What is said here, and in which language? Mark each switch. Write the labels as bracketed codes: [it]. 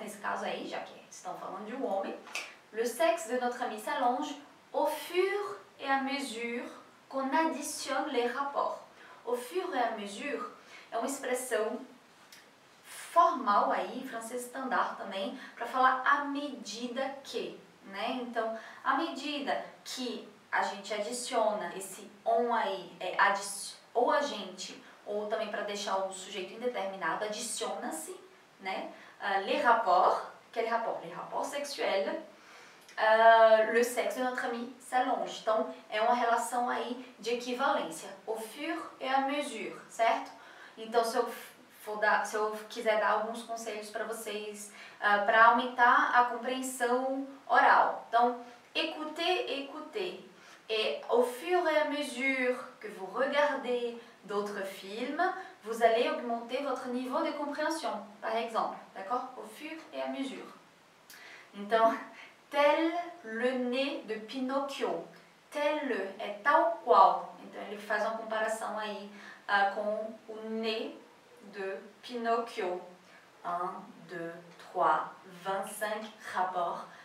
[pt] Nesse caso aí, já que estão falando de um homem. [fr] Le sexe de notre ami s'allonge au fur et à mesure qu'on additionne les rapports. Au fur et à mesure [pt] é uma expressão formal aí, francês standard também, para falar à medida que, né? Então, à medida que a gente adiciona esse on aí, ou a gente, ou também para deixar o sujeito indeterminado, adiciona-se, né? [fr] Les rapports, quel rapport? Les rapports sexuels. Le sexe de notre ami s'allonge. [pt] Então, é uma relação aí de equivalência. [fr] Au fur et à mesure, [pt] certo? Então, se eu quiser dar alguns conselhos para vocês, para aumentar a compreensão oral. Então, écoutez. [fr] Et au fur et à mesure que vous regardez d'autres films, vous allez augmenter votre niveau de compréhension, par exemple. D'accord? Au fur et à mesure. [pt] Então, [fr] tel le nez de Pinocchio, [pt] tel le é tal qual, então ele faz uma comparação aí com o nez de Pinocchio. [fr] Un, deux, trois, 25 rapports.